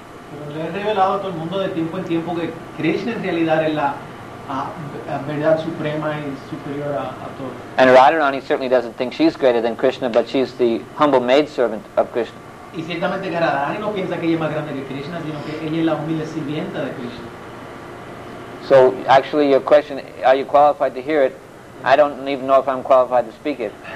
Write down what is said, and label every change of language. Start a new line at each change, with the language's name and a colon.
Spanish: Pero le he revelado a todo el mundo de tiempo en tiempo que Krishna en realidad es la verdad suprema y superior a todo.
English: And Radharani certainly doesn't think she's greater than Krishna, but she's the humble maidservant of Krishna.
Spanish: Y ciertamente que Radharani no piensa que ella es más grande que Krishna, sino que ella es la humilde sirvienta de Krishna.
English: So actually your question, are you qualified to hear it? I don't even know if I'm qualified to speak it.